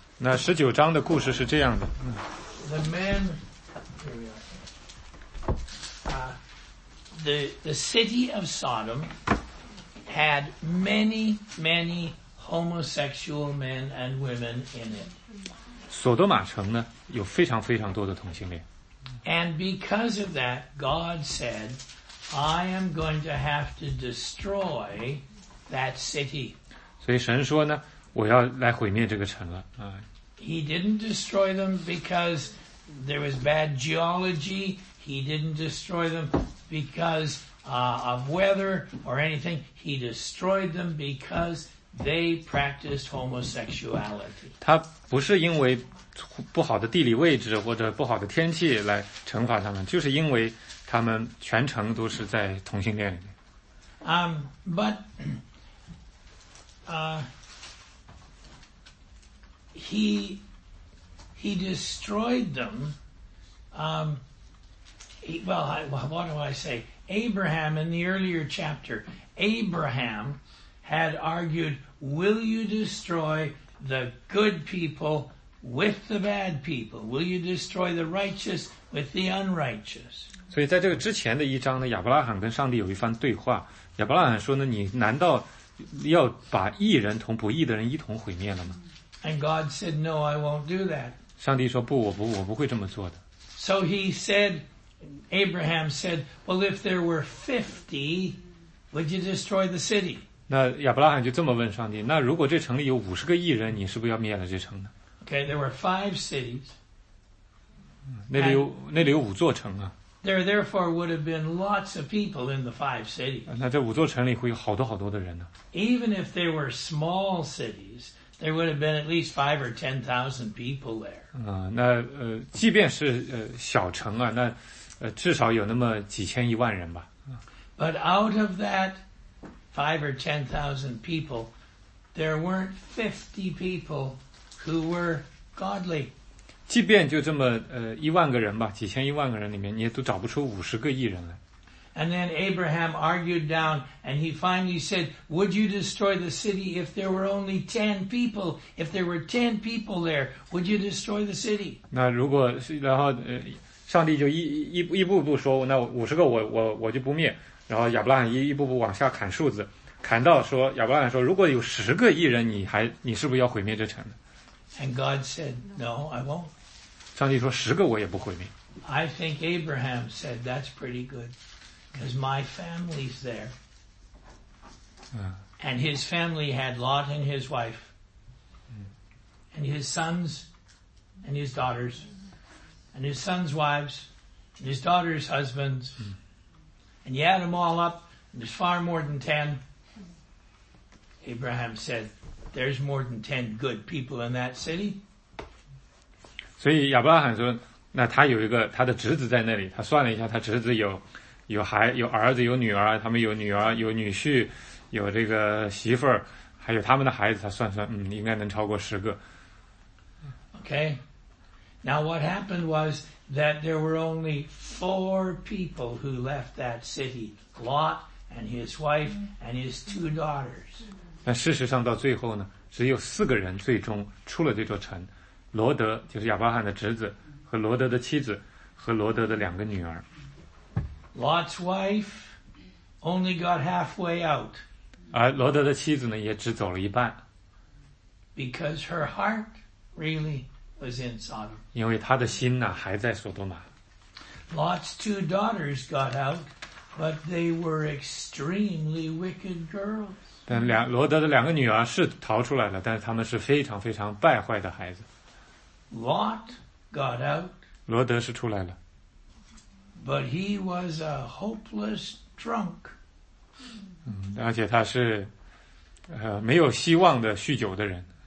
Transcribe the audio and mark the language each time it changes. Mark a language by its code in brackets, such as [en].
[zh] 那十九章的故事是这样的。 [en] The men, the city of Sodom had many, many homosexual men and women in it. [zh] 索多玛城呢，有非常非常多的同性恋。 [en] And because of that, God said, I am going to have to destroy that city. [zh] 所以神说呢，我要来毁灭这个城了啊。 [en] He didn't destroy them because there was bad geology. He didn't destroy them because of weather or anything. He destroyed them because they practiced homosexuality. [zh] 他不是因为不好的地理位置或者不好的天气来惩罚他们，就是因为他们全城都是在同性恋里面。 [en] But he destroyed them. What do I say? Abraham, in the earlier chapter, Abraham had argued, will you destroy the good people with the bad people? Will you destroy the righteous with the unrighteous? [zh] 所以在这个之前的一章呢，亚伯拉罕跟上帝有一番对话。亚伯拉罕说呢，你难道要把义人同不义的人一同毁灭了吗？ [en] And God said, no, I won't do that. [zh] 上帝说不，我不会这么做的。 [en] So he said, Abraham said, well, if there were 50, would you destroy the city? [zh] 那亚伯拉罕就这么问上帝，那如果这城里有50个义人，你是不是要灭了这城呢？ [en] Okay, there were 5 cities. [zh] 那里有五座城啊。 [en] There therefore would have been lots of people in the 5 cities. [zh] 那这五座城里会有好多好多的人呢。 [en] Even if they were small cities, there would have been at least 5,000 or 10,000 people there. [zh] 即便是小城啊，那至少有那么几千一万人吧。 [en] But out of that 5,000 or 10,000 people, there weren't 50 people who were godly. [zh] 即便就这么一万个人吧，几千一万个人里面，你也都找不出五十个义人来。 [en] And then Abraham argued down, and he finally said, "Would you destroy the city if there were only 10 people? If there were 10 people there, would you destroy the city?" [zh] 那如果然后上帝就一步一步说，那五十个我就不灭。然后亚伯拉罕一步步往下砍数字，砍到说亚伯拉罕说，如果有十个义人，你是不是要毁灭这城呢？ [en] And God said, no, I won't. [zh] 上帝说十个我也不毁灭。 [en] I think Abraham said, that's pretty good. Because my family's there. And his family had Lot and his wife. And his sons and his daughters. And his sons' wives. And his daughters' husbands. And you add them all up. And there's far more than 10. Abraham said,There's more than 10 good people in that city. [zh] 所以亚伯拉罕说，那他有一个他的侄子在那里，他算了一下，他侄子有儿子，有女儿，他们有女儿，有女婿，有这个媳妇儿，还有他们的孩子，他算，应该能超过十个。 [en] Okay. Now what happened was that there were only 4 people who left that city. Lot and his wife and his 2 daughters. [zh] 但事实上到最后呢，只有四个人最终出了这座城，罗德就是亚伯拉罕的侄子和罗德的妻子和罗德的两个女儿。 [en] Lot's wife only got halfway out. [zh] 而罗德的妻子呢，也只走了一半。 [en] Because her heart really was in Sodom. [zh] 因为她的心呢，还在索多玛。 [en] Lot's two daughters got out, but they were extremely wicked girls. [zh] 但两罗德的两个女儿是逃出来了，但是她们是非常非常败坏的孩子。 [en] Lot got out. [zh] 罗德是出来了。 [en] But he was a hopeless drunk. [zh] 而且他是没有希望的酗酒的人。